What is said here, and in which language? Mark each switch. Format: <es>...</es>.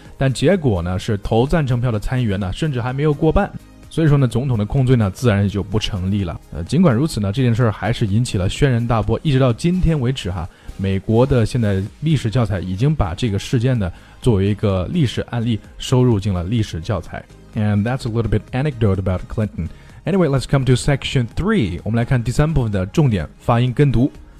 <zh>但结果呢是投赞成票的参议员呢甚至还没有过半，所以说呢总统的控罪呢自然就不成立了。尽管如此呢，这件事还是引起了轩然大波，一直到今天为止哈，美国的现在历史教材已经把这个事件呢作为一个历史案例收入进了历史教材。</zh> <en>And that's a little bit anecdote about Clinton. Anyway, let's come to section 3.</en> <zh>我们来看第三部分的重点发音跟读。</zh>